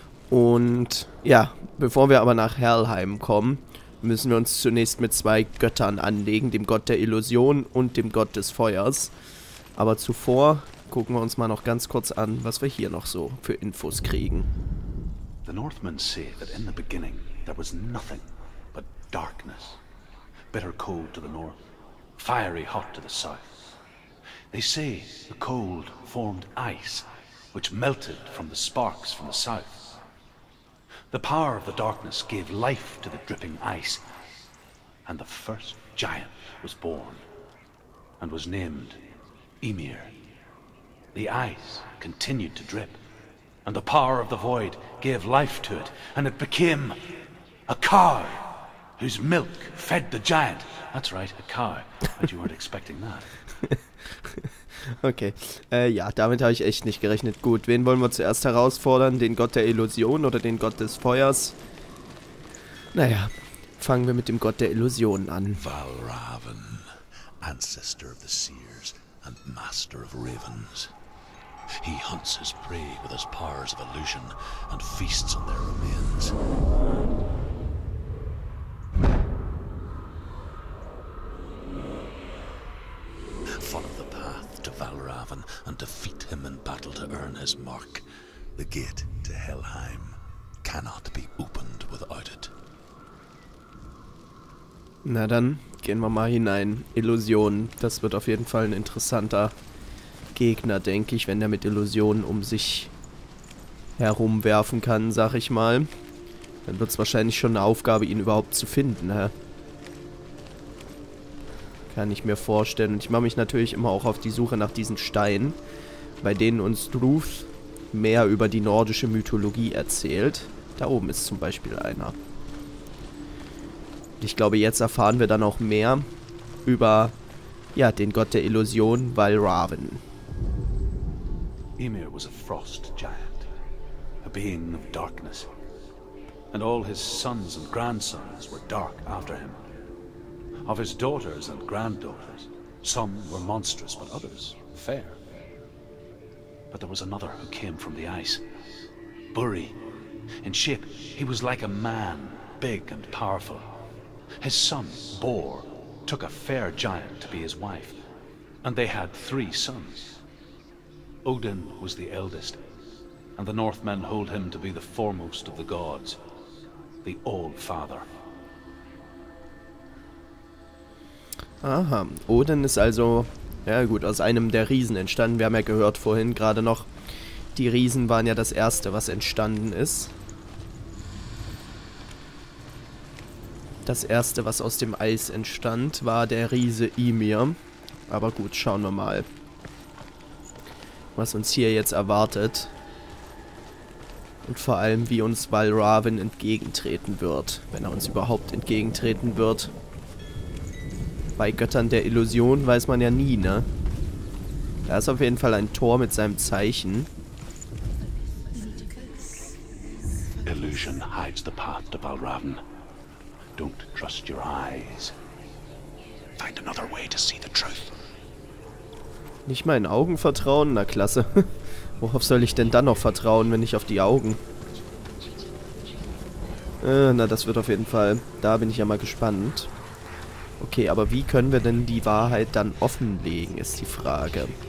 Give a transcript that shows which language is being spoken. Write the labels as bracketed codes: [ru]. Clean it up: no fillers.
[de] Und ja, bevor wir aber nach Helheim kommen, müssen wir uns zunächst mit zwei Göttern anlegen, dem Gott der Illusion und dem Gott des Feuers. Aber zuvor gucken wir uns mal noch ganz kurz an, was wir hier noch so für Infos kriegen. [en] The Northmen say that in the beginning there was nothing but darkness. Bitter cold to the north, fiery hot to the south. They say the cold formed ice, which melted from the sparks from the south. The power of the darkness gave life to the dripping ice, and the first giant was born and was named Ymir. The ice continued to drip. And the power of the void gave life to it, and it became a cow, whose milk fed the giant. That's right, a cow. But you weren't expecting that. [de] Okay, ja, damit habe ich echt nicht gerechnet. Gut, wen wollen wir zuerst herausfordern? Den Gott der Illusion oder den Gott des Feuers? Naja, fangen wir mit dem Gott der Illusion an. [en] Valravn, ancestor of the seers and master of ravens. He hunts his prey with his powers of illusion and feasts on their remains. Follow the path to Valravn and defeat him in battle to earn his mark. The gate to Helheim cannot be opened without it. [de] Na dann, gehen wir mal hinein. Illusion, das wird auf jeden Fall ein interessanter Gegner, denke ich, wenn der mit Illusionen um sich herumwerfen kann, sag ich mal. Dann wird es wahrscheinlich schon eine Aufgabe, ihn überhaupt zu finden, hä? Kann ich mir vorstellen. Und ich mache mich natürlich immer auch auf die Suche nach diesen Steinen, bei denen uns Druth mehr über die nordische Mythologie erzählt. Da oben ist zum Beispiel einer. Und ich glaube, jetzt erfahren wir dann auch mehr über, ja, den Gott der Illusion, Valravn. [en] Ymir was a frost giant, a being of darkness, and all his sons and grandsons were dark after him. Of his daughters and granddaughters, some were monstrous, but others fair. But there was another who came from the ice, Buri. In shape, he was like a man, big and powerful. His son, Bor, took a fair giant to be his wife, and they had three sons. Odin was the eldest, and the Northmen hold him to be the foremost of the gods, the All-Father. [de] Aha, Odin ist also, ja gut, aus einem der Riesen entstanden. Wir haben ja gehört vorhin gerade noch, die Riesen waren ja das Erste, was entstanden ist. Das Erste, was aus dem Eis entstand, war der Riese Ymir. Aber gut, schauen wir mal, was uns hier jetzt erwartet und vor allem, wie uns Valravn entgegentreten wird, wenn er uns überhaupt entgegentreten wird. Bei Göttern der Illusion weiß man ja nie, ne? Da ist auf jeden Fall ein Tor mit seinem Zeichen. [en] Illusion hides the path to Valravn. Don't trust your eyes. Find another way to see the truth. [de] Nicht meinen Augen vertrauen? Na klasse. Worauf soll ich denn dann noch vertrauen, wenn nicht auf die Augen? Na, das wird auf jeden Fall. Da bin ich ja mal gespannt. Okay, aber wie können wir denn die Wahrheit dann offenlegen, ist die Frage.